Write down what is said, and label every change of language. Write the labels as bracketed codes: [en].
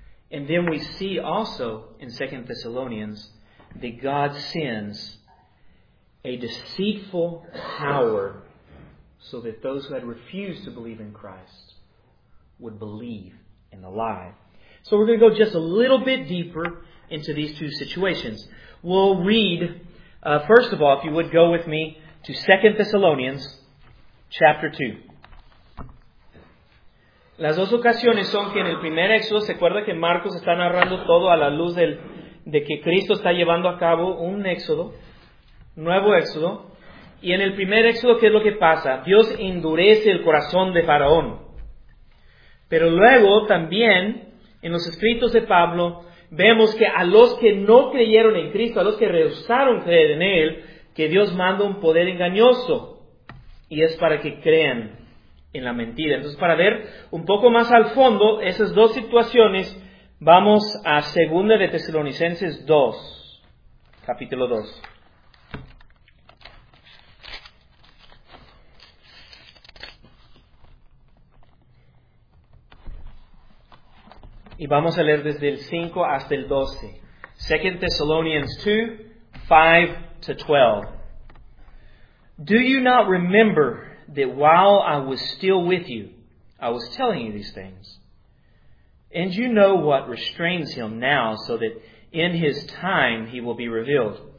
[en] And then we see also in 2 Thessalonians that God sends a deceitful power so that those who had refused to believe in Christ would believe in the lie. So we're going to go just a little bit deeper into these two situations. We'll read, first of all, if you would go with me to 2 Thessalonians chapter 2. [es] Las dos ocasiones son que en el primer Éxodo, se acuerda que Marcos está narrando todo a la luz de que Cristo está llevando a cabo un éxodo, nuevo éxodo. Y en el primer éxodo, ¿qué es lo que pasa? Dios endurece el corazón de Faraón. Pero luego, también, en los escritos de Pablo, vemos que a los que no creyeron en Cristo, a los que rehusaron creer en Él, que Dios manda un poder engañoso. Y es para que crean en la mentira. Entonces, para ver un poco más al fondo esas dos situaciones, vamos a 2 de Tesalonicenses 2, capítulo 2. Y vamos a leer desde el 5 hasta el 12. [en] 2 Thessalonians 2, 5 to 12. Do you not remember that while I was still with you, I was telling you these things? And you know what restrains him now, so that in his time he will be revealed.